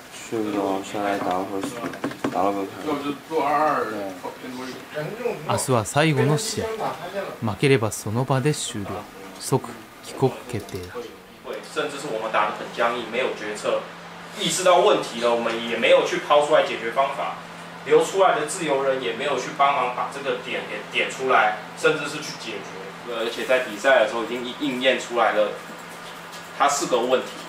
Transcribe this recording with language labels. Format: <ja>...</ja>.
<zh>睡不着，下来打了会儿，打了个卡。</zh> <ja>明日は最後の試合。負ければその場で終了。即帰国決定だ。</ja> <zh>甚至是我们打得很僵硬，没有决策，意识到问题了，我们也没有去抛出来解决方法。留出来的自由人也没有去帮忙把这个点给点出来，甚至是去解决。而且在比赛的时候已经应验出来了，它是个问题。</zh>